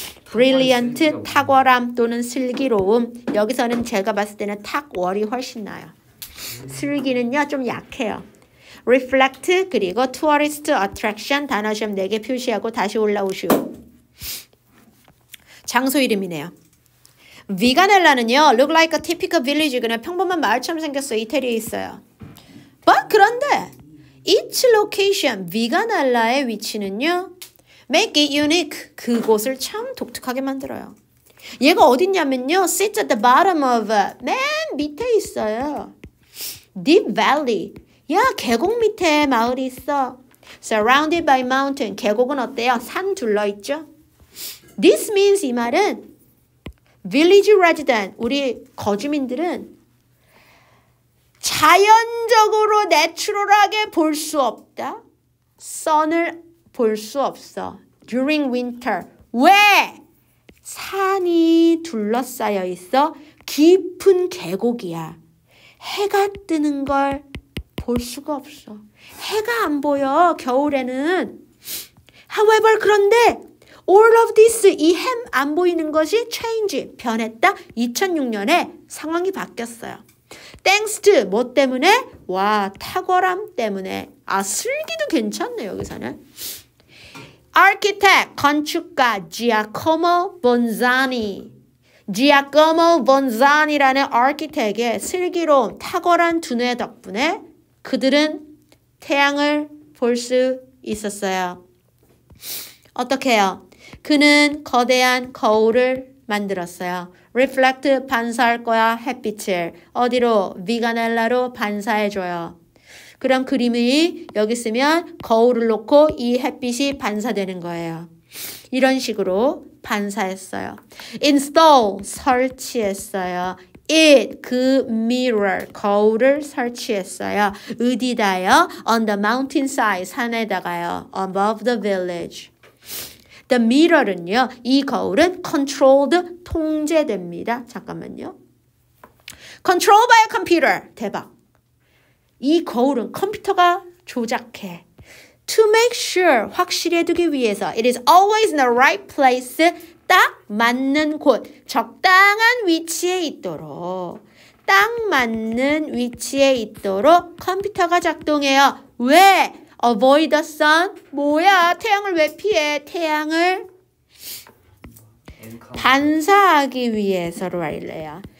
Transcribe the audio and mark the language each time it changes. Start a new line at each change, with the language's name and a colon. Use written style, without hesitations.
Korean: Brilliant 탁월함 또는 슬기로움. 여기서는 제가 봤을 때는 탁월이 훨씬 나아요. 슬기는요 좀 약해요. Reflect 그리고 Tourist attraction 단어 시험 4개 표시하고 다시 올라오시오. 장소 이름이네요. 비가넬라는요
English: look like a typical village.
Korean: 그냥 평범한 마을처럼 생겼어. 이태리에 있어요.
English: But
Korean: 그런데
English: each location
Korean: 비가넬라의 위치는요
English: make it unique.
Korean: 그곳을 참 독특하게 만들어요. 얘가 어딨냐면요
English: sits at the bottom of
Korean: 맨 밑에 있어요.
English: Deep valley.
Korean: 야 계곡 밑에 마을이 있어.
English: Surrounded by mountain.
Korean: 계곡은 어때요? 산 둘러있죠.
English: This means
Korean: 이 말은
English: Village resident,
Korean: 우리 거주민들은 자연적으로 내추럴하게 볼 수 없다. Sun을 볼 수 없어.
English: During winter.
Korean: 왜? 산이 둘러싸여 있어. 깊은 계곡이야. 해가 뜨는 걸 볼 수가 없어. 해가 안 보여, 겨울에는.
English: However,
Korean: 그런데
English: All of this,
Korean: 이 햄 안 보이는 것이 change, 변했다. 2006년에 상황이 바뀌었어요.
English: Thanks to,
Korean: 뭐 때문에? 와, 탁월함 때문에. 아, 슬기도 괜찮네, 여기서는.
English: Architect,
Korean: 건축가
English: Giacomo Bonzani.
Korean: Giacomo Bonzani라는 architect의 슬기로운 탁월한 두뇌 덕분에 그들은 태양을 볼 수 있었어요. 어떡해요? 그는 거대한 거울을 만들었어요. Reflect 반사할 거야 햇빛을. 어디로? 비가넬라로 반사해줘요. 그럼 그림이 여기 쓰면 거울을 놓고 이 햇빛이 반사되는 거예요. 이런 식으로 반사했어요. Install 설치했어요. It 그 mirror 거울을 설치했어요. 어디다요?
English: On the mountainside
Korean: 산에다가요.
English: Above the village. The mirror은요.
Korean: 이 거울은 controlled, 통제됩니다. 잠깐만요.
English: Controlled by a computer.
Korean: 대박. 이 거울은 컴퓨터가 조작해.
English: To make sure,
Korean: 확실히 해두기 위해서.
English: It is always in the right place.
Korean: 딱 맞는 곳. 적당한 위치에 있도록. 딱 맞는 위치에 있도록 컴퓨터가 작동해요. 왜?
English: Avoid the sun.
Korean: 뭐야? 태양을 왜 피해? 태양을 반사하기 위해서로 할래요.